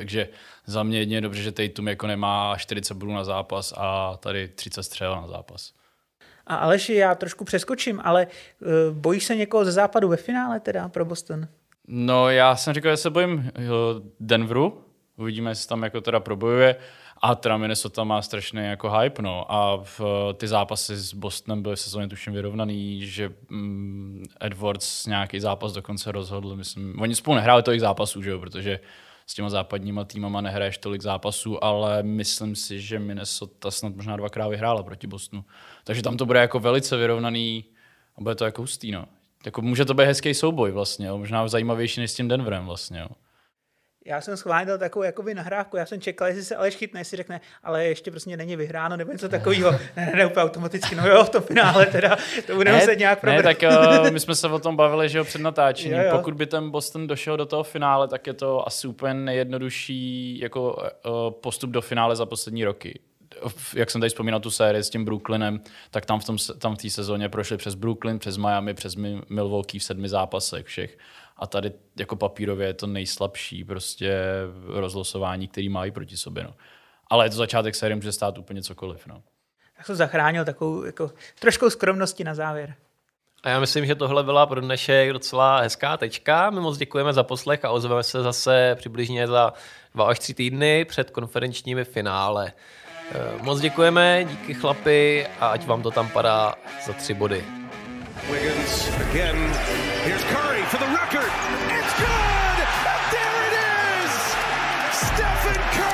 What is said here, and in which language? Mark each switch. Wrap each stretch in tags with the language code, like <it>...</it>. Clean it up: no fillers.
<cs>Takže za mě jedině je dobře, že Tatum jako nemá 40 bodů na zápas a tady 30 střel na zápas. A Aleši, já trošku přeskočím, ale bojíš se někoho ze západu ve finále teda pro Boston? No, já jsem říkal, že se bojím Denveru. Uvidíme, jestli tam jako teda probojuje. A teda Minnesota má strašný jako hype, no. A ty zápasy s Bostonem byly v sezóně tuším vyrovnaný, že Edwards nějaký zápas dokonce rozhodl, myslím. Oni spolu nehráli tolik zápasů, že jo, protože s těma západníma týmama nehraješ tolik zápasů, ale myslím si, že Minnesota snad možná dvakrát vyhrála proti Bostonu. Takže tam to bude jako velice vyrovnaný a bude to jako hustý, no. Jako může to být hezký souboj vlastně, jo. Možná zajímavější než s tím Denverem vlastně, jo. Já jsem schválně dal takovou jakoby nahrávku, já jsem čekal, jestli se Aleš chytne, jestli řekne, ale ještě prostě není vyhráno, nebo něco takového. Ne, úplně automaticky, no jo, v tom finále teda, to budeme se nějak probrat. Ne, tak my jsme se o tom bavili, že jo, před natáčením. Pokud by ten Boston došel do toho finále, tak je to asi úplně nejjednodušší jako postup do finále za poslední roky. Jak jsem tady vzpomínal tu sérii s tím Brooklynem, tak tam v té sezóně prošli přes Brooklyn, přes Miami, přes Milwaukee v 7 zápasech všech. A tady jako papírově je to nejslabší prostě rozlosování, který mají proti sobě. No. Ale je to začátek série, může stát úplně cokoliv. No. Tak jsem zachránil takovou jako trošku skromnosti na závěr. A já myslím, že tohle byla pro dnešek docela hezká tečka. My moc děkujeme za poslech a ozveme se zase přibližně za 2 až 3 týdny před konferenčními finále. Moc děkujeme, díky chlapi a ať vám to tam padá za 3 body.</cs> <en>Wiggins again. Here's Curry for the record. It's good. There it is. Stephen Curry.</en>